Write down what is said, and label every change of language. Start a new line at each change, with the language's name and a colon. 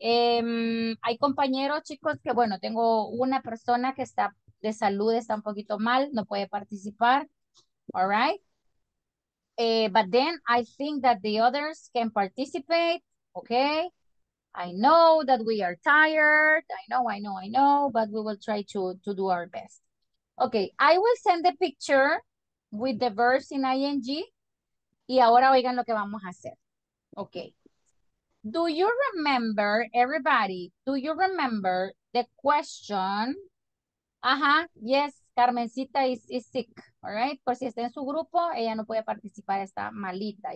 Spanish: Hay compañeros, chicos, que bueno, tengo una persona que está de salud, está un poquito mal, no puede participar.
English: All right. But then I think that the others can participate. Okay, I know that we are tired. I know, but we will try to do our best. Okay, I will send the picture with the verbs in ing.
Spanish: Y ahora oigan lo que vamos a hacer.
English: Okay, do you remember, everybody, do you remember the question? Uh-huh, yes, Carmencita is sick, all right?
Spanish: Por si está en su grupo, ella no puede participar, está malita.